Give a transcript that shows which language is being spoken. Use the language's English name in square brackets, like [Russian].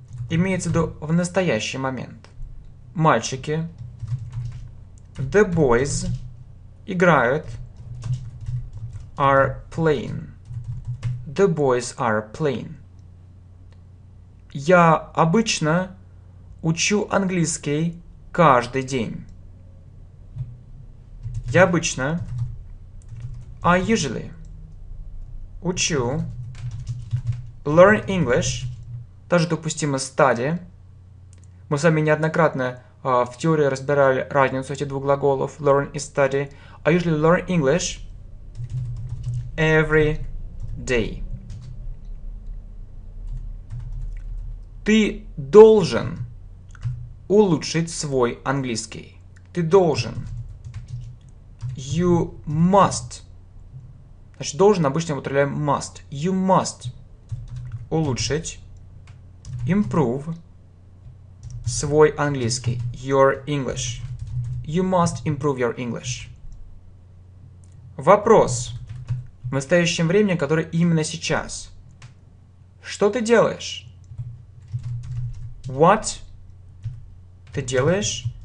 [Russian] Имеется в виду в настоящий момент. Мальчики. [English] The boys [Russian] играют. [English] Are playing. The boys are playing. [Russian] Я обычно учу английский каждый день. Я обычно. [English] I usually учу. Learn English. [Russian] Также допустимо study. Мы с вами неоднократно в теории разбирали разницу этих двух глаголов. [English] Learn и study. I usually learn English every day. [Russian] Ты должен улучшить свой английский. Ты должен. [English] You must. [Russian] Значит, должен обычно употребляем must. [English] You must [Russian] улучшить, [English] improve [Russian] свой английский. [English] Your English. You must improve your English. [Russian] Вопрос в настоящем времени, который именно сейчас. Что ты делаешь? What ты делаешь?